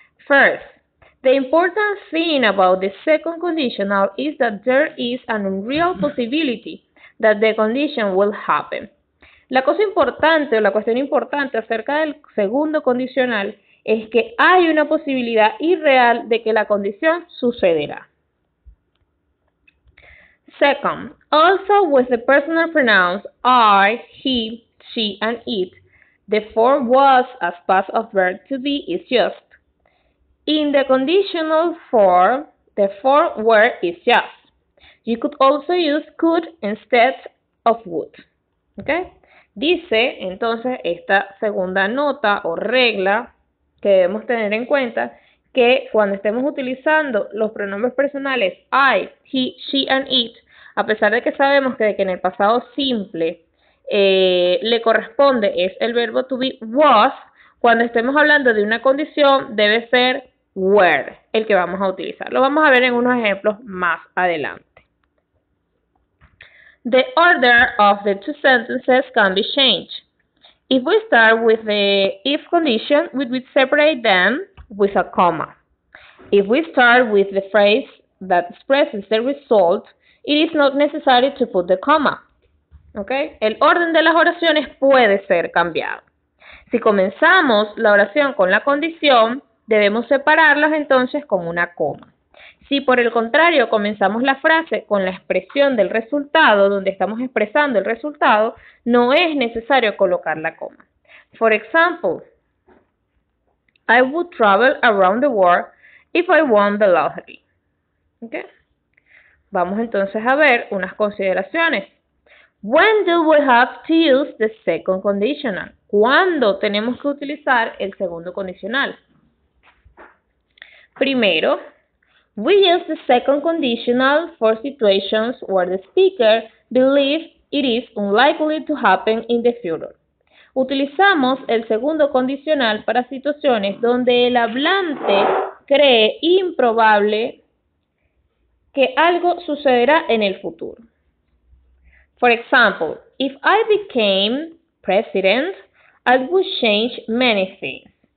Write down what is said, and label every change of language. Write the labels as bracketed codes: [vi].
[en] First, the important thing about the second conditional is that there is an unreal possibility that the condition will happen. [es] La cosa importante o la cuestión importante acerca del segundo condicional es que hay una posibilidad irreal de que la condición sucederá. [en] Second, also with the personal pronouns I, he, she, and it, the form was as past of verb to be is just. In the conditional form, the form were is just. You could also use could instead of would. Okay? [es] Dice, entonces, esta segunda nota o regla que debemos tener en cuenta, que cuando estemos utilizando los pronombres personales I, he, she, and it, a pesar de que sabemos que en el pasado simple le corresponde es el verbo to be was, cuando estemos hablando de una condición debe ser were el que vamos a utilizar. Lo vamos a ver en unos ejemplos más adelante. [en] The order of the two sentences can be changed. If we start with the if condition, we would separate them with a comma. If we start with the phrase that expresses the result, it is not necessary to put the comma. Okay? [es] El orden de las oraciones puede ser cambiado. Si comenzamos la oración con la condición, debemos separarlas entonces con una coma. Si por el contrario comenzamos la frase con la expresión del resultado, donde estamos expresando el resultado, no es necesario colocar la coma. [en] For example, I would travel around the world if I won the lottery. Okay. [es] Vamos entonces a ver unas consideraciones. [en] When do we have to use the second conditional? [es] ¿Cuándo tenemos que utilizar el segundo condicional? [en] Primero, we use the second conditional for situations where the speaker believes it is unlikely to happen in the future. [es] Utilizamos el segundo condicional para situaciones donde el hablante cree improbable que algo sucederá en el futuro. [en] For example, if I became president, I would change many things.